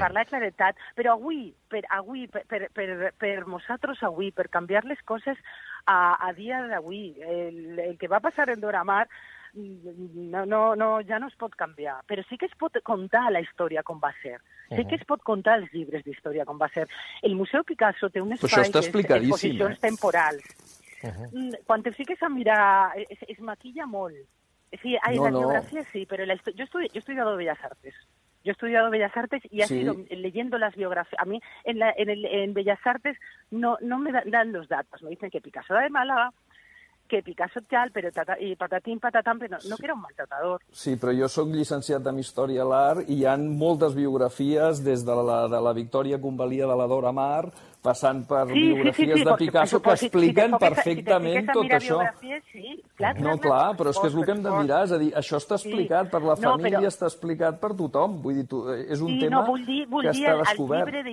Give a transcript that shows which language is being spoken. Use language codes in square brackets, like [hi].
[ca] Parlar de claretat, però avui, per nosaltres avui, per canviar les coses a dia d'avui, el que va passar en Dora Maar ja no es pot canviar, però sí que es pot contar la història com va ser. Sí que es pot contar els llibres d'història com va ser. El Museu Picasso té unes exposicions temporals. Quan te fiques a mirar, es maquilla molt. Sí, [es] hay la biografia, [ca] sí, però jo he estudiat Bellas Artes. [es] Yo he estudiado Bellas Artes y sido leyendo las biografías. A mí en Bellas Artes no me dan los datos. Me dicen que Picasso era de Málaga, que Picasso tal, pero y patatín, patatán, pero no que era un maltratador. [ca] Sí, però jo sóc llicenciat en Història de l'Art i hi han moltes biografies des de la Victòria Convalida de la Dora Maar passant per biografies de Picasso que expliquen perfectament tot això. Clar, però és que és el que hem de mirar, és a dir, això està explicat per la família, està explicat per tothom, vull dir, és un tema que està descobert.